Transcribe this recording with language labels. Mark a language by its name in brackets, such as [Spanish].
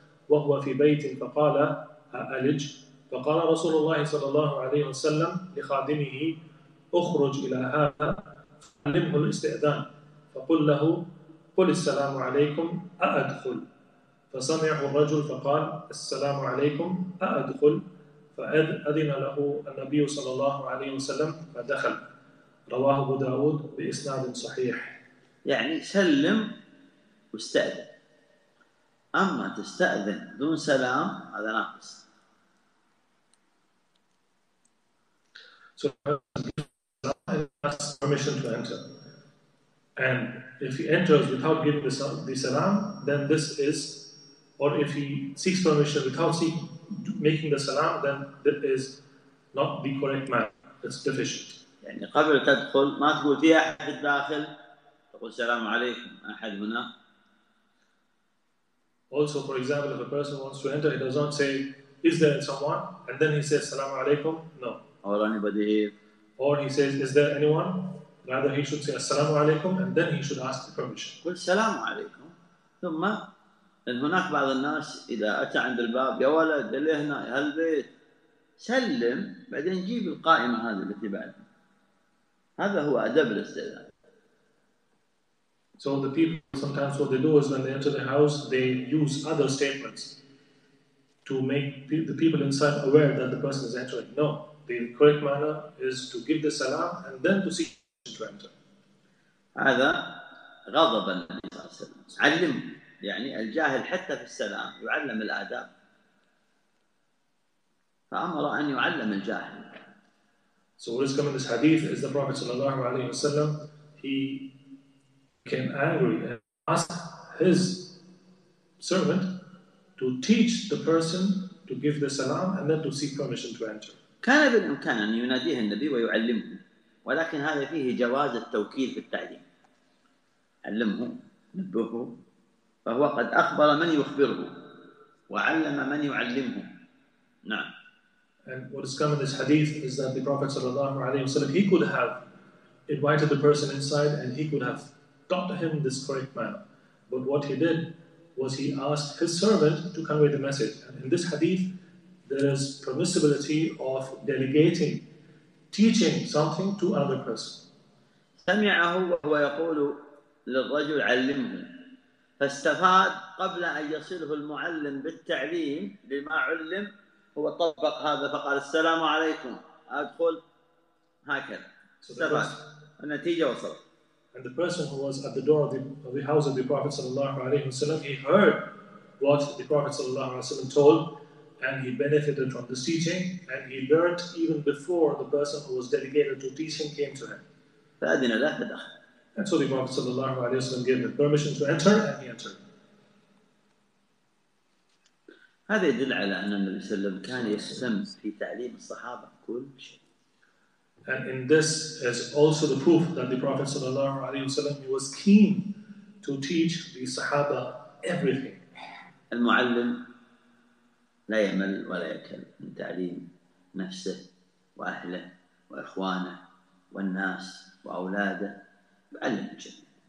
[Arabic] وهو في بيت فقال أألج فقال رسول الله صلى الله عليه وسلم لخادمه أخرج إلى هذا فعلمه الاستئذان فقل له قل السلام عليكم أأدخل فسمعه الرجل فقال السلام عليكم أأدخل فأذن له النبي صلى الله عليه وسلم فدخل رواه أبو داود بإسناد صحيح يعني سلم واستأذن أما تستأذن دون سلام هذا ناقص. [English] So asks permission to enter, and if he enters without giving the salam, then this is, or if he seeks permission without making the salam, then this is not the correct manner. It's deficient. [Arabic] يعني قبل تدخل ما تقول في أحد داخل تقول السلام عليكم أحد هنا. [English] Also, for example, if a person wants to enter, he does not say, "Is there someone?" and then he says, "Salam alaikum." No. Or anybody here. Or he says, "Is there anyone?" Rather, he should say, "Assalamu alaikum," and then he should ask the permission. [Arabic] قل السلام عليكم. ثم إن هناك بعض الناس إذا أتى عند الباب يا ولد اللي هنا هالبيت سلم بعدين جيب القائمة هذه التي بعد. هذا هو أدب الاستئذان. [English] So the people sometimes what they do is when they enter the house they use other statements to make the people inside aware that the person is entering. No, the correct manner is to give the salam and then to seek to enter. [Arabic] هذا غضب النبي صلى الله عليه وسلم. علم يعني الجاهل حتى في السلام يعلم الآداب. فأمر أن يعلم الجاهل. [English] So what is coming this hadith is the Prophet [Arabic] صلى الله عليه وسلم [English] he became angry and asked his servant to teach the person to give the salam and then to seek permission to enter. [Arabic] كان بالإمكان أن يناديه النبي ويعلمه ولكن هذا فيه جواز التوكيل في التعليم. علمه نبهه فهو قد أخبر من يخبره وعلم من يعلمه. نعم. [English] And what has come in this hadith is that the Prophet sallallahu alaihi wasallam he could have invited the person inside and he could have taught him this correct manner. But what he did was he asked his servant to convey the message. And in this hadith, there is permissibility of delegating, teaching something to another person. [Arabic] سمعه وهو يقول للرجل علمه فاستفاد قبل أن يصله المعلم بالتعليم لما علم هو طبق هذا فقال السلام عليكم أدخل هكذا استفاد النتيجة وصلت. [English] And the person who was at the door of the house of the Prophet sallallahu alaihi wasallam, he heard what the Prophet sallallahu alaihi wasallam told, and he benefited from this teaching, and he learned even before the person who was delegated to teach him came to him. [Arabic] فأذن له فدخل. [English] And so the Prophet sallallahu alaihi wasallam gave him permission to enter, and he entered. [Arabic] هذا يدل على أن النبي صلى الله عليه وسلم كان يهتم في تعليم الصحابة كل شيء. [English] And in this is also the proof that the Prophet sallallahu alaihi wasallam he was keen to teach the Sahaba everything. [Arabic] المعلم لا يمل ولا يكل من تعليم نفسه وأهله وإخوانه والناس وأولاده بعلم الجميع.